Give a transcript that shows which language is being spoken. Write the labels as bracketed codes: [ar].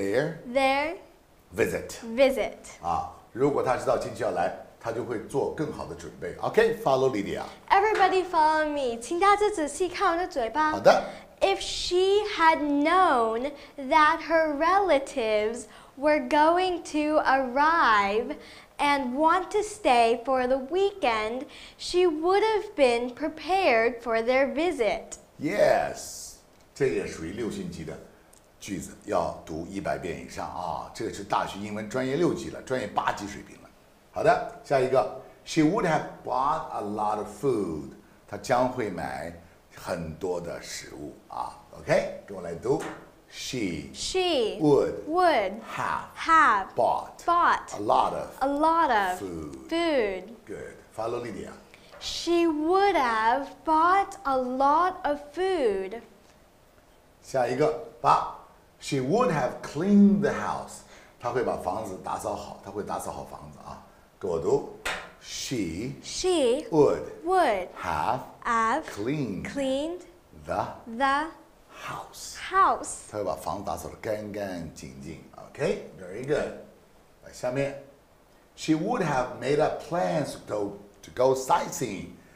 [en] If she had known that her relatives were going to arrive and want to stay for their visit. [zh] 啊，如果他知道亲戚要来，他就会做更好的准备。 [en] Okay, follow Lydia. Everybody follow me. [zh] 请大家仔细看我的嘴巴。好的。 [en] If she had known that her relatives were going to arrive. And want to stay for the weekend, she would have been prepared for their visit. [zh] Yes, 这也属于六星级的句子，要读100遍以上啊！这是大学英文专业六级了，专业八级水平了。好的，下一个 [en] She would have bought a lot of food. [zh] 她将会买很多的食物啊。 OK, 跟我来读。She [en] would have bought a lot of food. Good. Follow Lydia. She would have bought a lot of food. [zh] 下一个八。 [en] She would have cleaned the house. [zh] 她会把房子打扫好，她会打扫好房子啊。给我读。She [en] would have cleaned the house. [zh] 她会把房子打扫得干干净净。 [en] OK, very good. [zh] 来下面。 [en] She would have made up plans to go sightseeing.